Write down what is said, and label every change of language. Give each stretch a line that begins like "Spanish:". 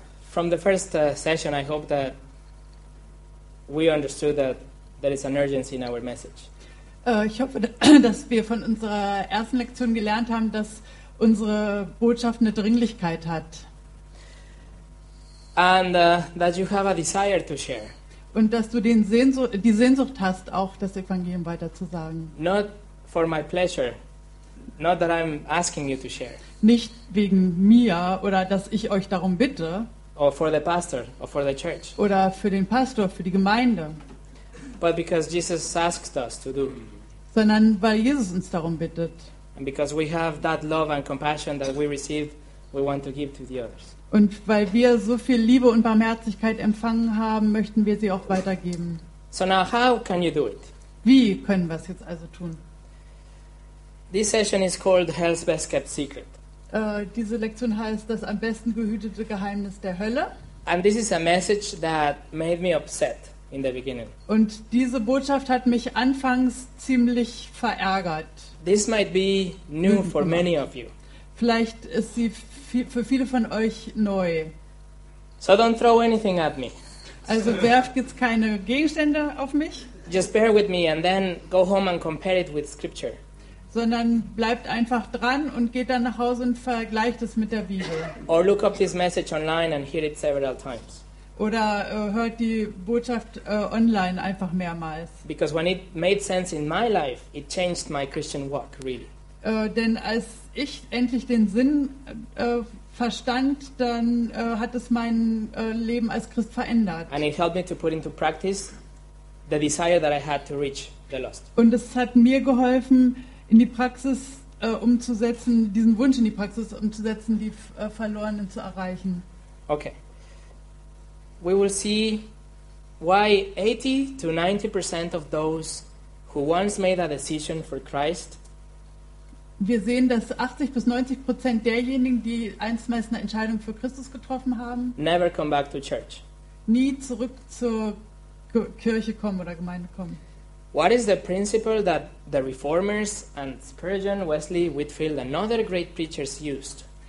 English: From the first session, I hope that we understood that there is an urgency in our message.
German: Ich hoffe, dass wir von unserer ersten Lektion gelernt haben, dass unsere Botschaft eine Dringlichkeit hat.
English: And that you have a desire to share.
German: Und dass du die Sehnsucht hast, auch das Evangelium weiterzusagen.
English: Not for my pleasure. Not that I'm asking you to share.
German: Nicht wegen mir oder dass ich euch darum bitte.
English: Or for the pastor, or for the church.
German: Oder für den Pastor, für die Gemeinde.
English: But because Jesus asks us to do.
German: Sondern weil Jesus uns darum bittet.
English: And because we have that love and compassion that we receive, we want to give to the others.
German: Und weil wir so viel Liebe und Barmherzigkeit empfangen haben, möchten wir sie auch weitergeben.
English: So now how can you do it?
German: Wie können wir es jetzt also tun?
English: This session is called Hell's Best Kept Secret.
German: Diese Lektion heißt das am besten gehütete Geheimnis der Hölle.
English: And this is a message that made me upset in the beginning.
German: Und diese Botschaft hat mich anfangs ziemlich verärgert.
English: This might be new for many of you.
German: Vielleicht ist sie für viele von euch neu.
English: So don't throw anything at me.
German: Also werft jetzt keine Gegenstände auf mich.
English: Just bear with me and then go home and compare it with scripture.
German: Sondern bleibt einfach dran und geht dann nach Hause und vergleicht es mit der Bibel.
English: Or look up this message online and hear it several times.
German: oder hört die Botschaft online einfach mehrmals.
English: Because when it made sense in my life, it changed my Christian walk really.
German: Denn als ich endlich den Sinn verstand, dann hat es mein Leben als Christ verändert.
English: And it helped me to put into practice the desire that I had to reach the lost.
German: Und es hat mir geholfen, in die Praxis umzusetzen, diesen Wunsch in die Praxis umzusetzen, die Verlorenen zu erreichen. Okay.
English: We will see why 80 to 90% of those who once made a decision for Christ.
German: Wir sehen, dass 80 bis 90% derjenigen, die einstmals eine Entscheidung für Christus getroffen haben,
English: never come back to church.
German: Nie zurück zur Kirche kommen oder Gemeinde kommen.
English: What is the principle that the reformers and Spurgeon, Wesley, Whitfield and other great preachers used?